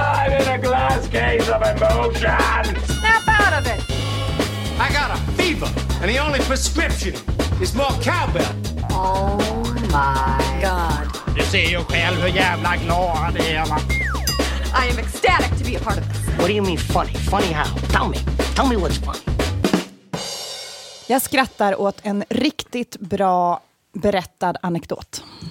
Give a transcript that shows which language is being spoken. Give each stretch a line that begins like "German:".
English: I'm in a glass case of emotion. Snap out of it. I got a fever and the only prescription is more cowbell. Oh my god.
Swedish: Du ser ju själv hur jävla glad jag är.
English: I am ecstatic to be a part of this. What do you mean funny? Funny how? Tell me what's funny.
Swedish: Jag skrattar åt en riktigt bra berättad anekdot.